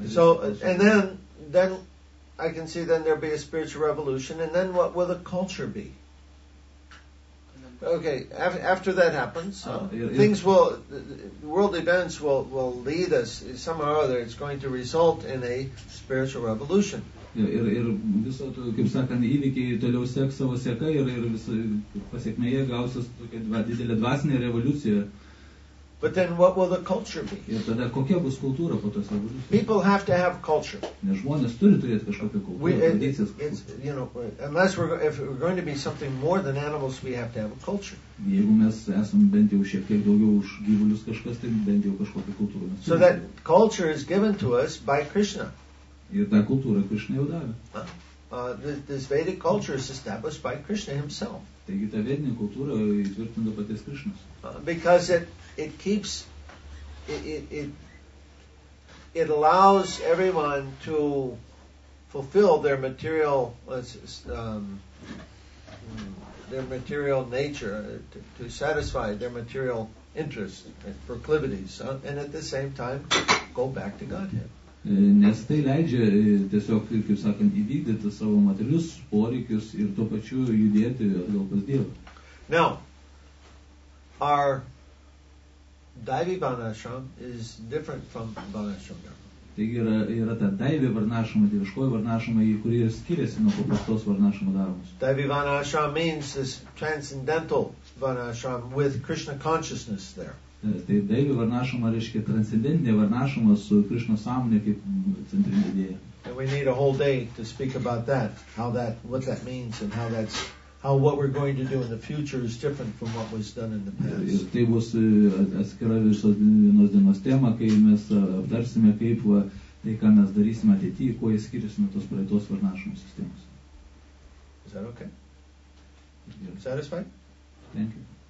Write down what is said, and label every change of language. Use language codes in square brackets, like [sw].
[en] So and then I can see then there'll be a spiritual revolution, and then what will the culture be? Okay. After that happens, things will, world events will lead us somehow or other. It's going to result in a spiritual revolution. [lt] Ir viso to, kaip sakant, įvykiai toliau seks savo seka ir viso pasiekmėje gausios tokia didelė dvasinė revoliucija. [en] But then what will the culture be? [lt] Ir tada kokia bus kultūra po tos revoliucijos? [en] People have to have culture. [lt] Nes žmonės turi turėti kažkokią kultūrą, tradicijas. [en] You know, unless if we're going to be something more than animals, we have to have a culture. [lt] Jeigu mes esam bent jau šiek tiek daugiau už gyvulius kažkas, tai bent jau kažkokią kultūrą. [en] So that culture is given to us by Krishna. [lt] Ir ta kultūra Krishna jau davė. [en] This Vedic culture is established by Krishna himself. [lt] Taigi ta vedinė kultūra įtvirtinta paties Krishnas. [en] Because it allows everyone to fulfill their material nature, to satisfy their material interests and proclivities, and at the same time go back to Godhead. [lt] Nes tai leidžia tiesiog, kaip sakant, įvykdyti savo materialius poreikius ir tuo pačiu judėti atgal pas Dievą. [en] Now, our Daivi Varnashram is different from Varnashram Dharma. [lt] Taigi yra ta Daivi Varnashrama, dieviškoji Varnashrama, į kurį skiriasi nuo paprastos Varnashrama Dharmos. [en] Daivi Varnashram means this transcendental Varnashram with Krishna consciousness there. [lt] Tai Daivi Varnashrama reiškia transcendentinė Varnashrama su Krishna sąmonė kaip centrinė idėja. [en] And we need a whole day to speak about that, what that means and how that's... how what we're going to do in the future is different from what was done in the past. [lt] Tai bus atskira visos vienos dienos tema, kai mes aptarsime, kaip tai, ką mes darysime ateity, kuo jis skiriasi nuo tos praeitos varnašymo sistemos. [en] Is that okay? Yeah. Satisfied? Thank you.